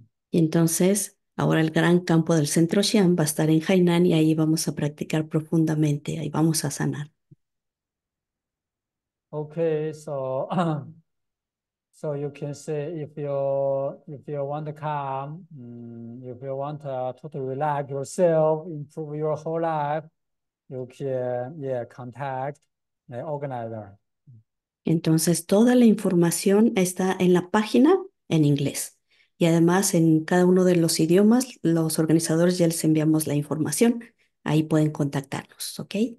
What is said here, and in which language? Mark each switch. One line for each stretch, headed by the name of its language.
Spanish: Y entonces, ahora el gran campo del centro Xi'an va a estar en Hainan y ahí vamos a practicar profundamente, ahí vamos a sanar.
English: Okay, so you can say if you want to come, if you want to relax yourself, improve your whole life, you can contact the organizer.
Spanish: Entonces, toda la información está en la página en inglés. Y además en cada uno de los idiomas, los organizadores ya les enviamos la información. Ahí pueden contactarnos, ¿ok?